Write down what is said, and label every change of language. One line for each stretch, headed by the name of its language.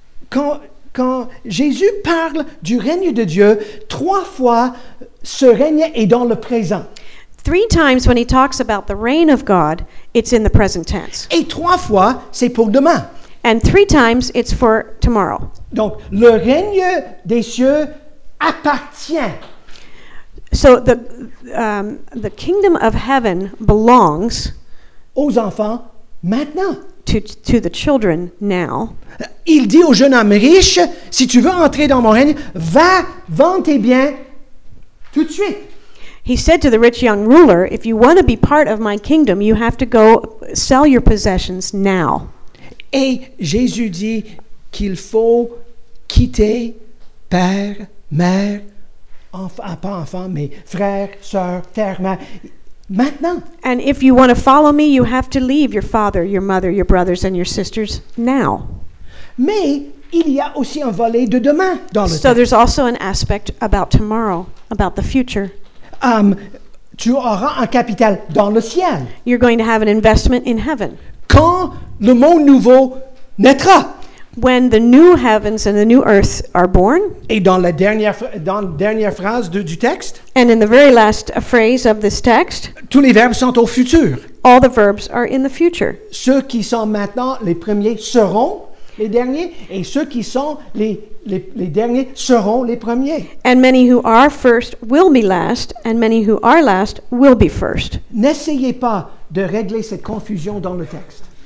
French: Quand Jésus parle du règne de Dieu, trois fois ce règne est dans le présent.
English: Three times when he talks about the reign of God, it's in the present tense.
French: Et trois fois, c'est pour demain.
English: And three times, it's for tomorrow.
French: Donc, le règne des cieux appartient.
English: So, the kingdom of heaven belongs
French: aux enfants maintenant.
English: To the children now.
French: Il dit au jeune homme riche, si tu veux entrer dans mon règne, va vendre tes biens tout de suite.
English: He said to the rich young ruler, if you want to be part of my kingdom, you have to go sell your possessions now.
French: Et Jésus dit qu'il faut quitter père, mère, pas enfant, mais frère, sœur, terre, mère. Maintenant.
English: And if you want to follow me, you have to leave your father, your mother, your brothers, and your sisters now.
French: Mais il y a aussi un volet de demain dans le
English: temps. So there's also an aspect about tomorrow, about the future.
French: Tu auras un capital dans le ciel.
English: You're going to have an investment in heaven.
French: Quand le monde nouveau naîtra.
English: When the new heavens and the new earth are born.
French: Et dans la dernière phrase du texte.
English: And in the very last phrase of this text.
French: Tous les verbes sont au futur.
English: All the verbs are in the future.
French: Ceux qui sont maintenant les premiers seront les derniers, et ceux qui sont les derniers seront les premiers.
English: And many who are first will be last, and many who are last will be first.
French: N'essayez pas de régler cette confusion dans le texte.